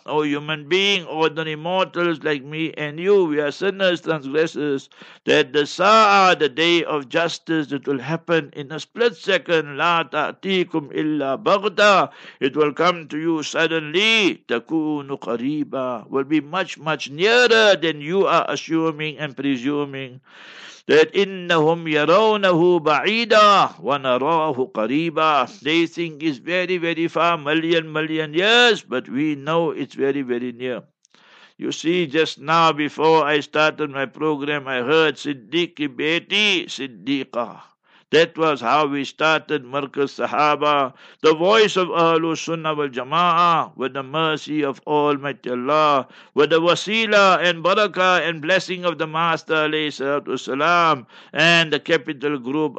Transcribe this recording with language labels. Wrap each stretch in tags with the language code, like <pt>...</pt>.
<en>O human being, ordinary mortals like me and you, we are sinners, transgressors, that the sa'a, the day of justice, it will happen in a split second.</en> <ar>لَا تَعْتِيكُمْ إِلَّا بَغْدًا.</ar> <en>It will come to you suddenly.</en> <ar>تَكُونُ قَرِيبًا.</ar> <en>Will be much, much nearer than you are assuming and presuming. That</en> <ar>إِنَّهُمْ يَرَوْنَهُ بَعِيدًا وَنَرَاهُ قَرِيبًا.</ar> <en>They think it's very, very far, million, million years, but we know it's very, very near. You see, just now before I started my program, I heard Siddiqui Beti, Siddiqa. That was how we started Markaz Sahaba, the voice of Ahlu Sunnah wal Jama'ah, with the mercy of Almighty Allah, with the wasila and barakah and blessing of the Master alayhi salatu wasalam, and the capital group.</en>